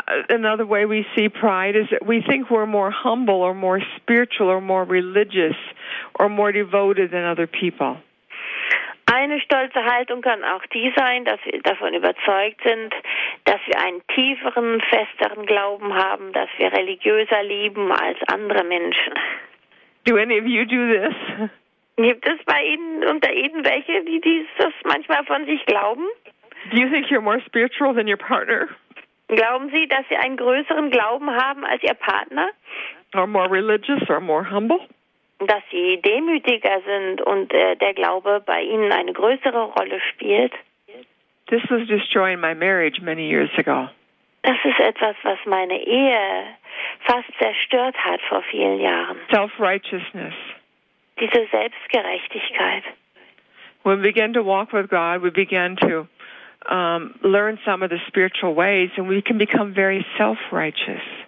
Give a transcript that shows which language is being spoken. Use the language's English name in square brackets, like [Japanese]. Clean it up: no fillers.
[English] Another way we see pride is that we think we're more humble or more spiritual or more religious or more devoted than other people. [German] Eine stolze Haltung kann auch die sein, dass wir davon überzeugt sind, dass wir einen tieferen, festeren Glauben haben, dass wir religiöser leben als andere Menschen. [English] Do any of you do this? [German] Gibt es bei Ihnen, unter Ihnen welche, die das manchmal von sich glauben? [English] Do you think you're more spiritual than your partner? [German] Glauben Sie, dass Sie einen größeren Glauben haben als Ihr Partner? [English] Or more religious or more humble? [German] Dass Sie demütiger sind und der Glaube bei Ihnen eine größere Rolle spielt? [English] This was destroying my marriage many years ago. [German] Das ist etwas, was meine Ehe fast zerstört hat vor vielen Jahren. [English] Self-righteousness. [German] Diese Selbstgerechtigkeit. [English] When we begin to walk with God, we begin to learn some of the spiritual ways, and we can become very self-righteous.